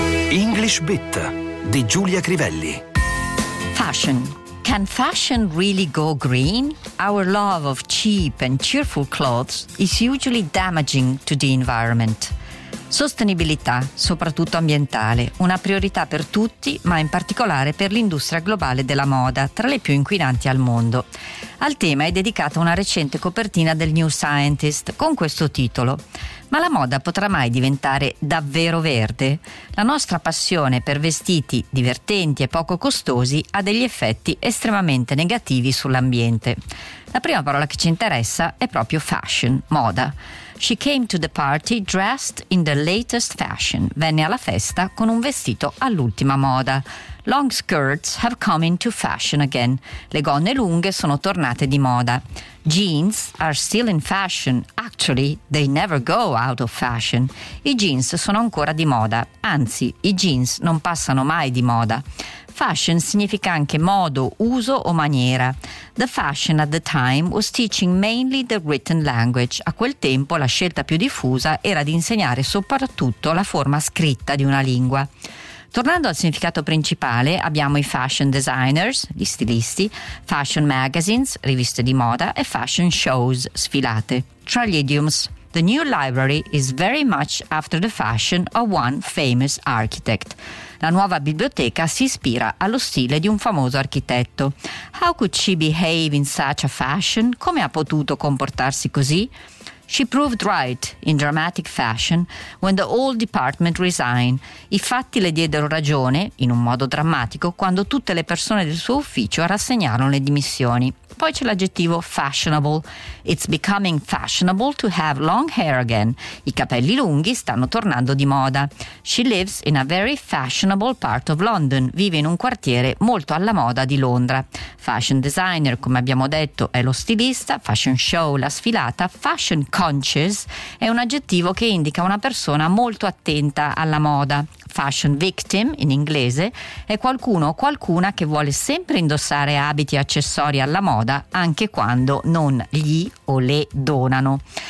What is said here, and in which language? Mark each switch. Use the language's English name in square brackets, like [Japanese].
[Italian] English Bit di Giulia Crivelli. [English] Fashion. Can fashion really go green? Our love of cheap and cheerful clothes is usually damaging to the environment. [Italian] Sostenibilità, soprattutto ambientale, una priorità per tutti, ma in particolare per l'industria globale della moda, tra le più inquinanti al mondo. Al tema è dedicata una recente copertina del New Scientist con questo titolo. Ma la moda potrà mai diventare davvero verde? La nostra passione per vestiti divertenti e poco costosi ha degli effetti estremamente negativi sull'ambiente. La prima parola che ci interessa è proprio fashion, moda. [English] She came to the party dressed in the latest fashion. [Italian] Venne alla festa con un vestito all'ultima moda. [English] Long skirts have come into fashion again. [Italian] Le gonne lunghe sono tornate di moda. [English] Jeans are still in fashion. Actually, they never go out of fashion. [Italian] I jeans sono ancora di moda. Anzi, i jeans non passano mai di moda. Fashion significa anche modo, uso o maniera. [English] The fashion at the time was teaching mainly the written language. [Italian] A quel tempo la scelta più diffusa era di insegnare soprattutto la forma scritta di una lingua. Tornando al significato principale, abbiamo i fashion designers, gli stilisti, fashion magazines, riviste di moda, e fashion shows, sfilate. Tra gli idioms, [English] the new library is very much after the fashion of one famous architect. [Italian] La nuova biblioteca si ispira allo stile di un famoso architetto. [English] How could she behave in such a fashion? [Italian] Come ha potuto comportarsi così? [English] She proved right in dramatic fashion when the whole department resigned. [Italian] I fatti le diedero ragione, in un modo drammatico, quando tutte le persone del suo ufficio rassegnarono le dimissioni. Poi c'è l'aggettivo fashionable. [English] It's becoming fashionable to have long hair again. [Italian] I capelli lunghi stanno tornando di moda. [English] She lives in a very fashionable part of London. [Italian] Vive in un quartiere molto alla moda di Londra. Fashion designer, come abbiamo detto, è lo stilista. Fashion show, la sfilata. Fashion conscious è un aggettivo che indica una persona molto attenta alla moda. Fashion victim, in inglese, è qualcuno o qualcuna che vuole sempre indossare abiti e accessori alla moda, anche quando non gli o le donano.